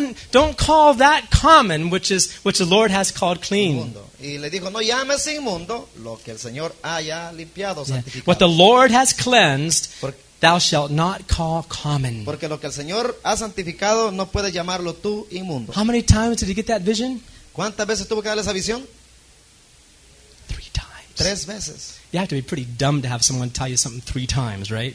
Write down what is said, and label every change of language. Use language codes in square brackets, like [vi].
[en] Don't call that common which the Lord has called clean. [es] Y le dijo, no llames inmundo lo que el Señor haya limpiado, santificado. [en] What the Lord has cleansed, thou shalt not call common. [es] Porque lo que el Señor ha santificado, no puedes llamarlo tú inmundo. [en] How many times did he get that vision? [es] ¿Cuántas veces tuvo que darle esa visión? [en] Three times. [es] Tres veces. [en] You have to be pretty dumb to have someone tell you something three times, right?